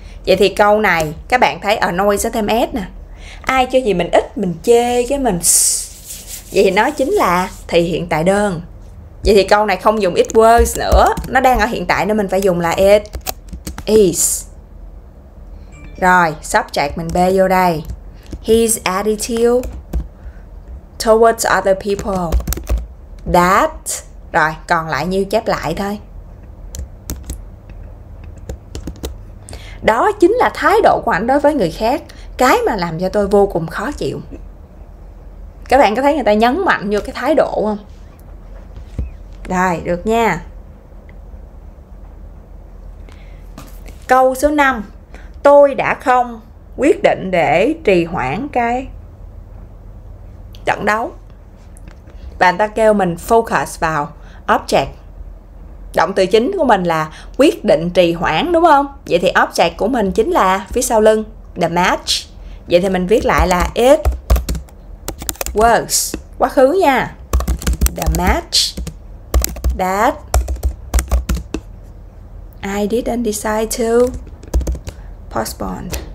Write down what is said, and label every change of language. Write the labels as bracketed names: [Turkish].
[Vietnamese] Vậy thì câu này các bạn thấy a noise sẽ thêm s nè. Ai cho gì mình ít, mình chê cái mình. Vậy thì nó chính là thì hiện tại đơn. Vậy thì câu này không dùng [English] it was [Vietnamese] nữa. Nó đang ở hiện tại nên mình phải dùng là [English] it is. [Vietnamese] Rồi subject mình bê vô đây. [English] His attitude towards other people. That. [Vietnamese] Rồi còn lại như chép lại thôi. Đó chính là thái độ của anh đối với người khác. Cái mà làm cho tôi vô cùng khó chịu. Các bạn có thấy người ta nhấn mạnh vô cái thái độ không? Rồi được nha. Câu số 5. Tôi đã không quyết định để trì hoãn cái trận đấu. Và người ta kêu mình focus vào object. Động từ chính của mình là quyết định trì hoãn đúng không? Vậy thì object của mình chính là phía sau lưng, [English] the match. [Vietnamese] Vậy thì mình viết lại là [English] it was. [Vietnamese] Quá khứ nha. [English] The match that I didn't decide to postpone.